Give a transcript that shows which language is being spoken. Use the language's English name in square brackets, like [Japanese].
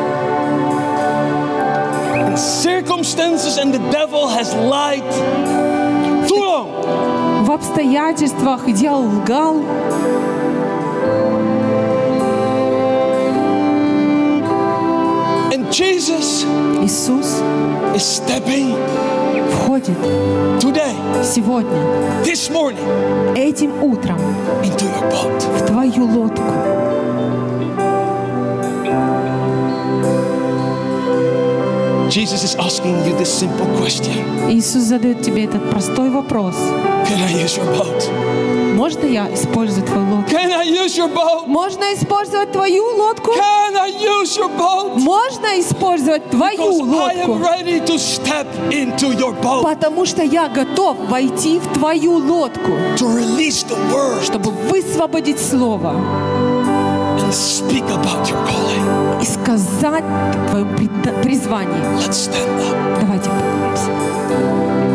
[English] And circumstances and the devil has lied too long. [Russian] В обстоятельствах дьявол лгал. [English] Jesus [Russian] Иисус [English] is stepping [Russian] входит [English] today, [Russian] сегодня, [English] this morning, [Russian] этим утром [English] into your boat. [Russian] В твою лодку. [English] Jesus is asking you this simple question. [Russian] Иисус задает тебе этот простой вопрос. [English] Can I use your boat? [Russian] Можно я использовать твою лодку? [English] Can I use your boat? [Russian] Можно использовать твою лодку? [English] Can I use your boat? [Russian] Можно использовать твою лодку? [English] Because I am ready to step into your boat. [Russian] Потому что я готов войти в твою лодку. [English] To release the word. [Russian] Чтобы высвободить слово. [English] And speak about your calling. [Russian] И сказать твое призвание. [English] Let's stand up. [Russian] Давайте поднимемся.